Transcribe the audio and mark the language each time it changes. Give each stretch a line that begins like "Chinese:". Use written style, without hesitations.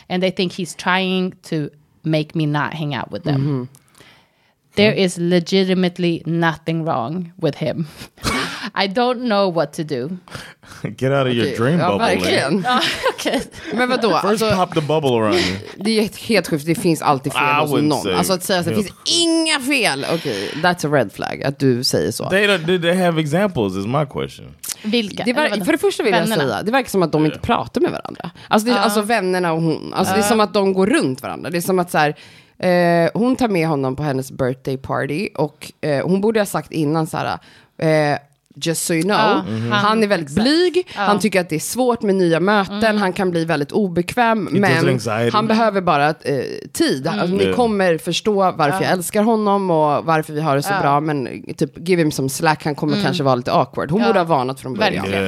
English: And they think he's trying to make me not hang out with them. Mm-hmm. There is legitimately nothing wrong with him. I don't know what to do. Get out of your dream bubble.
Swedish: Ja, verkligen. Okay. Men vadå?
English: First alltså, pop the bubble around you.
Swedish: Det är helt sjukt. Det finns alltid fel hos någon. Say. Alltså att säga att det finns inga fel.
English: Okay. That's a red flag
Swedish: att du säger så.
English: They have examples is my question.
Swedish: Vilka? För det första vill jag säga, det verkar som att de inte pratar med varandra. Alltså, alltså vännerna och hon. Alltså det är som att de går runt varandra. Det är som att så här... hon tar med honom på hennes birthday party och hon borde ha sagt innan så här,
English: just so you know,
Swedish: han är väldigt blyg, han tycker att det är svårt med nya möten, han kan bli väldigt obekväm, men han behöver bara tid, alltså, ni kommer förstå varför jag älskar honom och varför vi har det så bra, men typ
English: give him some slack,
Swedish: han kommer kanske vara lite awkward, hon borde ha varnat från början.